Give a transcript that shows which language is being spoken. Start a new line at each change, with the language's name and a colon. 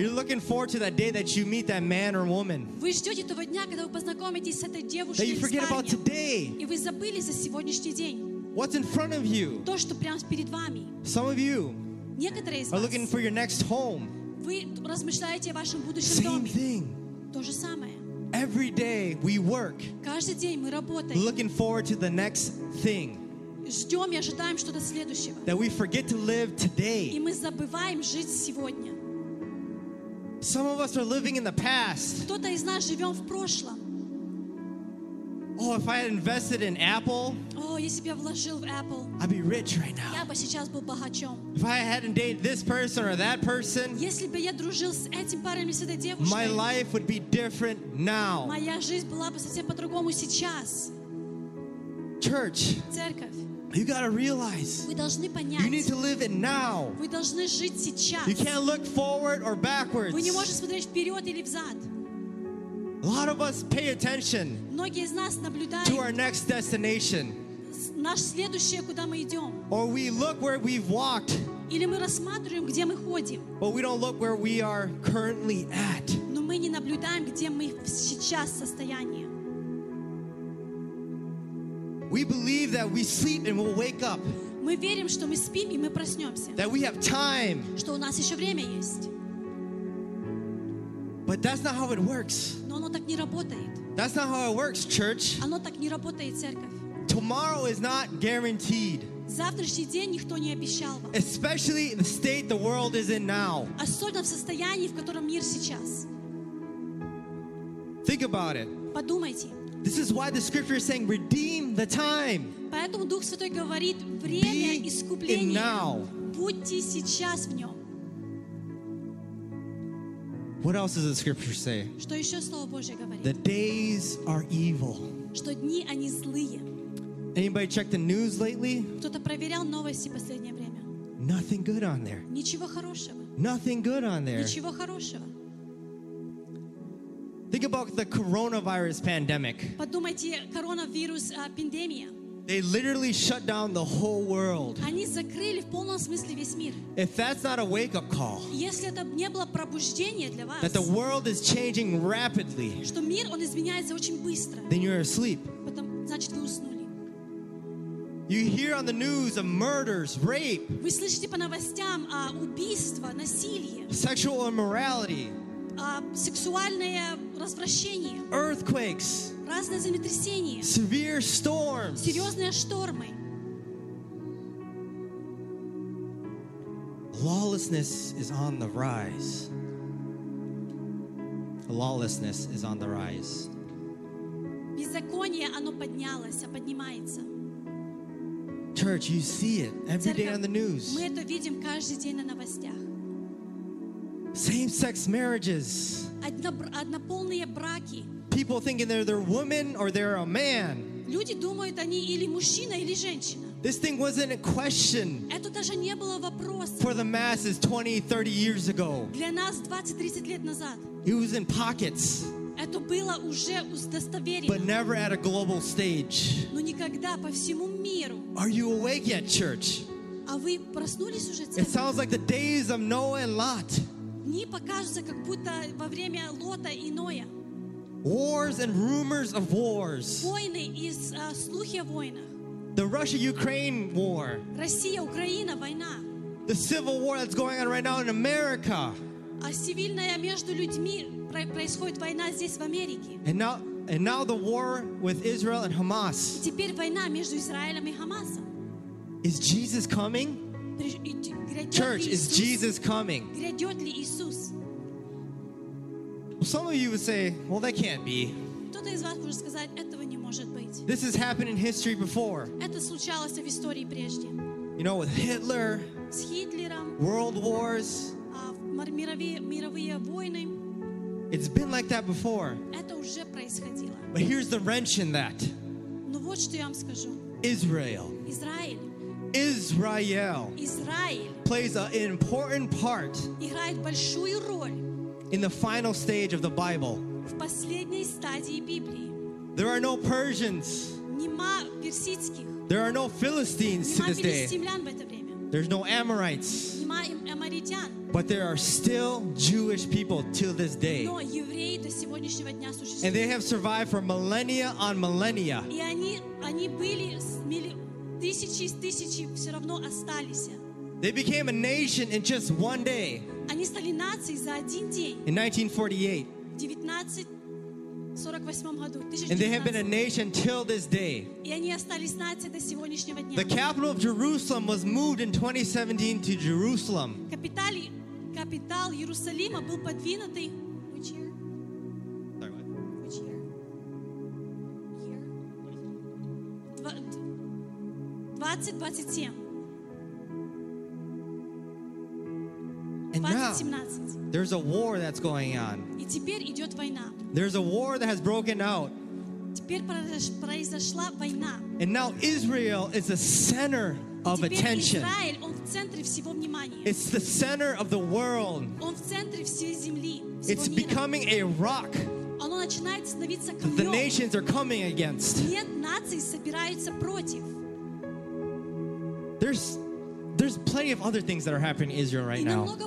English: You're looking forward to that day that you meet that man or woman.
Russian: Вы ждете того дня, когда вы познакомитесь с этой девушкой или парнем.
English: That you forget about today.
Russian: И вы забыли за сегодняшний день.
English: What's in front of you?
Russian: То, что прямо перед вами.
English: Some of you.
Russian: Некоторые из вас.
English: Are looking for your next home.
Russian: Вы размышляете о вашем будущем доме.
English: Same thing.
Russian: То же самое.
English: Every day we work.
Russian: Каждый день мы работаем.
English: Looking forward to the next thing.
Russian: Ждем и ожидаем что-то следующего.
English: That we forget to live today.
Russian: И мы забываем жить сегодня.
English: Some of us are living in the past.
Russian: Кто-то из нас живем в прошлом.
English: Oh, if I had invested in Apple.
Russian: Если бы я вложил в Apple.
English: I'd be rich right now.
Russian: Я бы сейчас был богачом.
English: If I hadn't dated this person or that person.
Russian: Если бы я дружил с этим парнем или с этой девушкой.
English: My life would be different now.
Russian: Моя жизнь была бы совсем по-другому сейчас.
English: Church.
Russian: Церковь.
English: You gotta realize.
Russian: Вы должны понять.
English: You need to live it now.
Russian: Вы должны жить сейчас.
English: You can't look forward or backwards.
Russian: Вы не можете смотреть вперед или взад.
English: A lot of us pay attention.
Russian: Многие из нас наблюдают.
English: To our next destination.
Russian: Наш следующее, куда мы идем.
English: Or we look where we've walked.
Russian: Или мы рассматриваем, где мы ходим.
English: But we don't look where we are currently at.
Russian: Но мы не наблюдаем, где мы сейчас в состоянии.
English: We believe that we sleep and we'll wake up.
Russian: Мы верим, что мы спим и мы проснемся.
English: That we have time.
Russian: Что у нас еще время есть.
English: But that's not how it works.
Russian: Но оно так не работает.
English: That's not how it works, church.
Russian: Оно так не работает, церковь.
English: Tomorrow is not guaranteed.
Russian: Завтрашний день никто не обещал вам.
English: Especially in the state the world is in now.
Russian: Особенно в состоянии, в котором мир сейчас.
English: Think about it.
Russian: Подумайте.
English: This is why the scripture is saying redeem the time.
Russian: Поэтому Дух Святой говорит время искупления.
English: Be in now.
Russian: Будьте сейчас в нем.
English: What else does the scripture say?
Russian: Что еще слово Божье говорит?
English: The days are evil.
Russian: Что дни они злые.
English: Anybody check the news lately?
Russian: Кто-то проверял новости последнее время?
English: Nothing good on there.
Russian: Ничего хорошего.
English: Nothing good on there.
Russian: Ничего хорошего.
English: Think about the coronavirus pandemic.
Russian: Подумайте, коронавирус, пандемия.
English: They literally shut down the whole world.
Russian: Они закрыли в полном смысле весь мир.
English: If that's not a wake-up call.
Russian: Если это не было пробуждение для вас.
English: That the world is changing rapidly.
Russian: Что мир он изменяется очень быстро.
English: Then you're asleep.
Russian: Потом, значит, вы уснули.
English: You hear on the news of murders, rape.
Russian: Вы слышите по новостям о убийства, насилии.
English: Sexual immorality.
Russian: Сексуальное развращение.
English: Earthquakes.
Russian: Разные землетрясения.
English: Severe storms.
Russian: Серьезные штормы.
English: Lawlessness is on the rise. Lawlessness is on the rise.
Russian: Беззаконие оно поднялось, поднимается.
English: Church, you see it every day on the news.
Russian: Мы это видим каждый день на новостях.
English: Same-sex marriages.
Russian: Однополные браки.
English: People thinking they're their woman or they're a man.
Russian: Люди думают, они или мужчина, или женщина.
English: This thing wasn't a question.
Russian: Это даже не было вопроса.
English: For the masses 20, 30 years ago.
Russian: Для нас 20-30 лет назад.
English: It was in pockets.
Russian: Это было уже удостоверено.
English: But never at a global stage.
Russian: Но никогда по всему миру.
English: Are you awake yet, church?
Russian: А вы проснулись уже, церковь?
English: It sounds like the days of Noah and Lot.
Russian: Дни покажутся, как будто во время Лота и Ноя.
English: Wars and rumors of wars.
Russian: Войны и слухи о войнах.
English: The Russia-Ukraine war.
Russian: Россия-Украина война.
English: The civil war that's going on right now in America.
Russian: А цивильная между людьми происходит война здесь в Америке.
English: And now the war with Israel and Hamas.
Russian: И теперь война между Израилем и Хамасом.
English: Is Jesus coming? Church, is Jesus coming?
Russian: Грядет ли Иисус?
English: Some of you would say, well, that can't be.
Russian: Кто-то из вас может сказать, этого не может быть.
English: This has happened in history before.
Russian: Это случалось в истории прежде.
English: You know, with Hitler.
Russian: С Хитлером.
English: World wars.
Russian: Мировые войны.
English: It's been like that before.
Russian: Это уже происходило.
English: But here's the wrench in that.
Russian: Но вот что я вам скажу.
English: Israel.
Russian: Израиль.
English: Israel.
Russian: Израиль.
English: Plays an important part.
Russian: Играет большую роль.
English: In the final stage of the Bible.
Russian: В последней стадии Библии.
English: There are no Persians.
Russian: Нема персидских.
English: There are no Philistines to this day.
Russian: Нема в это время.
English: There's no Amorites.
Russian: Нема Амаритян.
English: But there are still Jewish people till this day.
Russian: Но евреи до сегодняшнего дня существуют.
English: And they have survived for millennia on millennia.
Russian: И они были тысячи из тысячи все равно остались.
English: They became a nation in just one day.
Russian: Они стали нацией за один день.
English: In 1948.
Russian: В 1948 году.
English: And they have been a nation till this day.
Russian: И они остались нацией до сегодняшнего дня.
English: The capital of Jerusalem was moved in 2017 to Jerusalem.
Russian: Капитал Иерусалима был подвинутый.
English: Which year? Sorry, what? Which year? Year? 2027. And now, there's a war that's going on.
Russian: И теперь идет война.
English: There's a war that has broken out.
Russian: Теперь произошла война.
English: And now Israel is the center of attention.
Russian: Израиль, он в центре всего внимания.
English: It's the center of the world.
Russian: Он в центре всей земли, всего мира.
English: It's becoming a rock.
Russian: Оно начинает становиться камнем.
English: That the nations are coming against.
Russian: Нет, нации собираются против.
English: There's plenty of other things that are happening in Israel right now.